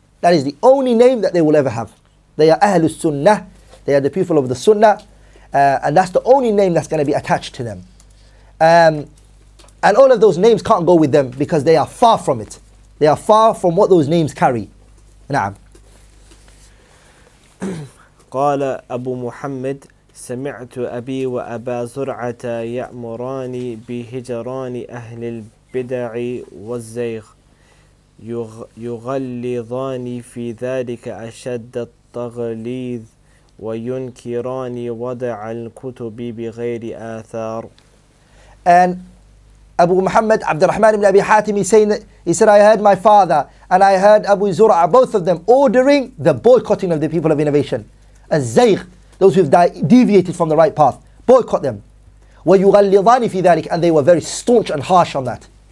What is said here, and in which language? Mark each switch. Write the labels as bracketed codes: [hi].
[en] That is the only name that they will ever have. They are أهل السنة. They are the people of the Sunnah, and that's the only name that's going to be attached to them. And all of those names can't go with them because they are far from it. They are far from what those names carry. [ar] نعم. قال أبو محمد سمعت أبي وأبا زرعة يأمراني بهجران أهل البدع والزيغ يغلظاني في ذلك أشد التغليظ وينكراني وضع الكتب بغير آثار. [en] And Abu Muhammad Abd al-Rahman ibn Abi Hatim, he said, I heard my father and I heard Abu Zura'a, both of them ordering the boycotting of the people of innovation. Al-Zaygh, those who have deviated from the right path, boycott them. [ar] وَيُغَلِّضَانِ فِي ذَلِكَ [en] And they were very staunch and harsh on that.